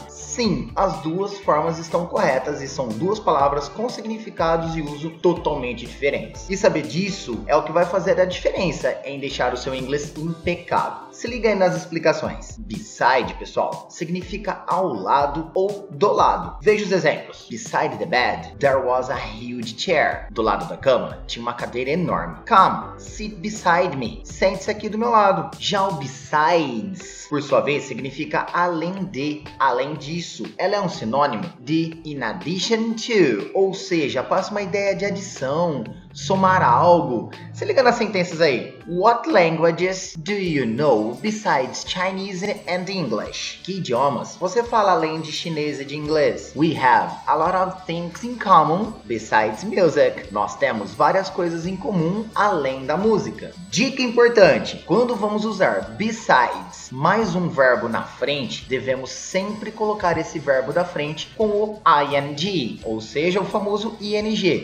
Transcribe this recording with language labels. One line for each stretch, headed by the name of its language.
Portuguese: Sim, as duas formas estão corretas e são duas palavras com significados e uso totalmente diferentes. E saber disso é o que vai fazer a diferença em deixar o seu inglês impecável. Se liga aí nas explicações. Beside, pessoal, significa ao lado ou do lado. Veja os exemplos.
English: Beside the bed, there was a huge chair.
Portuguese: Do lado da cama, tinha uma cadeira enorme.
English: Come, sit beside me.
Portuguese: Sente-se aqui do meu lado. Já o besides, por sua vez, significa além de, além disso. Ela é um sinônimo de in addition to, ou seja, passa uma ideia de adição, somar algo. Se liga nas sentenças aí.
English: What languages do you know besides Chinese and English?
Portuguese: Que idiomas você fala além de chinês e de inglês?
English: We have a lot of things in common besides music.
Portuguese: Nós temos várias coisas em comum além da música. Dica importante: quando vamos usar besides mais um verbo na frente, devemos sempre colocar esse verbo da frente com o ing, ou seja, o famoso ing.